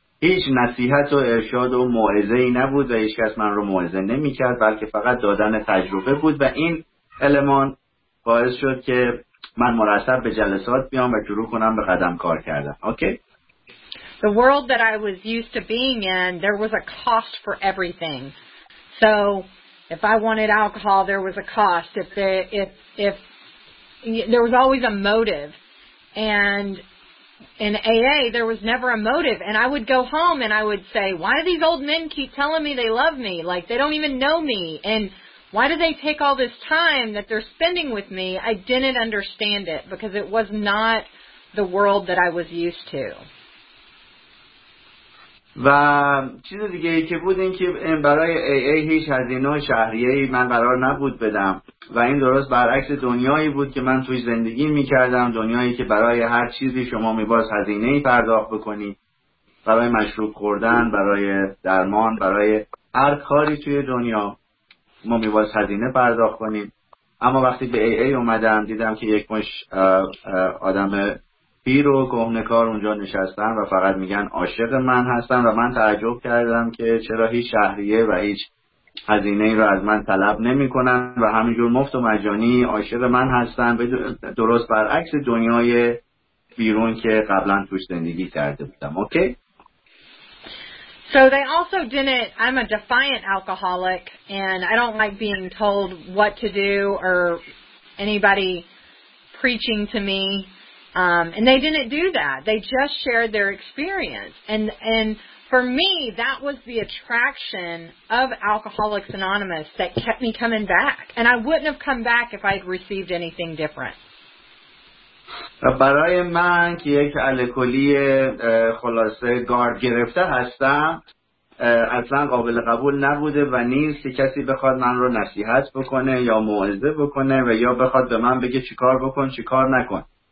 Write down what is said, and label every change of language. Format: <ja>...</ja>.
<fa>هیچ نصیحت و ارشاد و موعظه‌ای نبود و هیچ کس من رو موعظه نمیکرد بلکه فقط دادن تجربه بود و این المان باعث شد که من مرتب به جلسات بیام و شروع کنم به قدم کار کردن.</fa> <en>Okay? The world that I was used to being in, there was a cost for everything. So... If I wanted alcohol, there was a cost. If there was always a motive, and in AA there was never a motive, and I would go home and I would say, why do these old men keep telling me they love me? Like they don't even know me, and why do they take all this time that they're spending with me? I didn't understand it because it was not the world that I was used to.</en> <fa>و چیز دیگه ای که بود این که برای AA هیچ هزینه شهریه‌ای من قرار نبود بدم و این درست برعکس دنیایی بود که من توش زندگی میکردم دنیایی که برای هر چیزی شما میباید هزینه‌ای پرداخت بکنی برای مشروب خوردن برای درمان برای هر کاری توی دنیا ما میباید هزینه پرداخت کنیم اما وقتی به AA اومدم دیدم که یک مش آدم پیر و کهنه کار اونجا نشستن و فقط میگن عاشق من هستن و من تعجب کردم که چرا هیچ شهریه و هیچ هزینه ای رو از من طلب نمی کنن و همینجور مفت و مجانی عاشق من هستن درست برعکس دنیای بیرون که قبلا توش زندگی کرده بودم.</fa> <en>Okay? So they also didn't, I'm a defiant alcoholic and I don't like being told what to do or anybody preaching to me. And they didn't do that. They just shared their experience. And for me, that was the attraction of Alcoholics Anonymous that kept me coming back. And I wouldn't have come back if I'd received anything different.</en> <fa>برای من که یک الکلی خلاصه گارد گرفته هستم اصلا قابل قبول نبوده و نیست که کسی بخواد من رو نصیحت بکنه یا موعظه بکنه و یا بخواد به من بگه چیکار بکن چیکار نکن</fa>